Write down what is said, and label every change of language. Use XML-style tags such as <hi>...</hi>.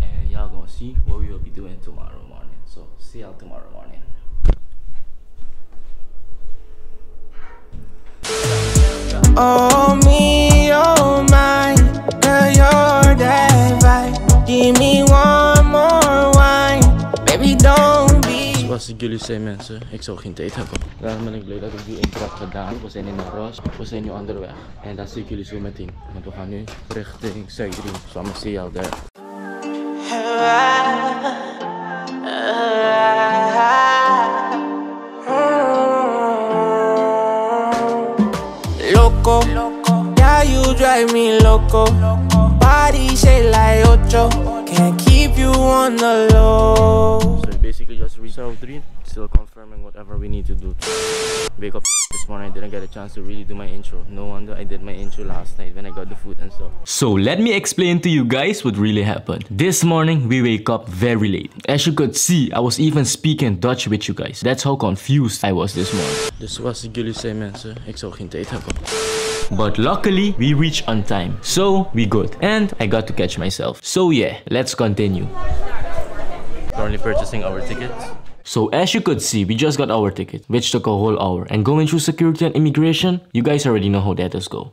<en>Y'all gonna see what we will be doing tomorrow morning. So, see y'all tomorrow morning. Oh, me, oh, my, girl, you're divine. Give me one more wine, baby, don't be.</en> <nl>Zoals ik jullie zei, mensen, ik zou geen tijd hebben. Daarom ben ik blij dat ik die intro heb gedaan. We zijn in de Ros, we zijn nu onderweg. En dat zie ik jullie zo meteen. Want we gaan nu richting Suriname.</nl> <en>So, I'm gonna see y'all there. Loco, yeah, you drive me loco. Body shape like ocho, can't keep you on the low. So basically just reserve 3, still confirming whatever we need to do. Wake up this morning, I didn't get a chance to really do my intro. No wonder I did my intro last night when I got the food and stuff. So let me explain to you guys what really happened. This morning, we wake up very late. As you could see, I was even speaking Dutch with you guys. That's how confused I was this morning.</en> <nl>Dus zoals jullie zei, mensen, ik zou geen tijd hebben.</nl> <en>But luckily, we reached on time. So we good. And I got to catch myself. So yeah, let's continue. Currently purchasing our tickets. So as you could see, we just got our ticket, which took a whole hour. And going through security and immigration, you guys already know how that is go.</en>